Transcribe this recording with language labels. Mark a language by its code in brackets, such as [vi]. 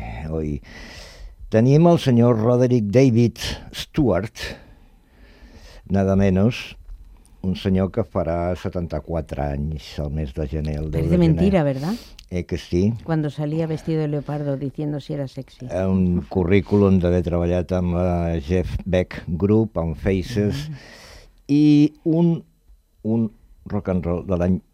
[ca] hoy tenim el senyor Roderick David Stewart, [es] nada menos, [ca] un senyor que farà 74 anys el mes de gener. [es] És de mentira, ¿verdad? Que sí. Cuando salía vestido de leopardo diciendo si era sexy. [ca] Un currículum d'haver treballat amb la Jeff Beck Group, amb Faces, i un rock and roll de l'any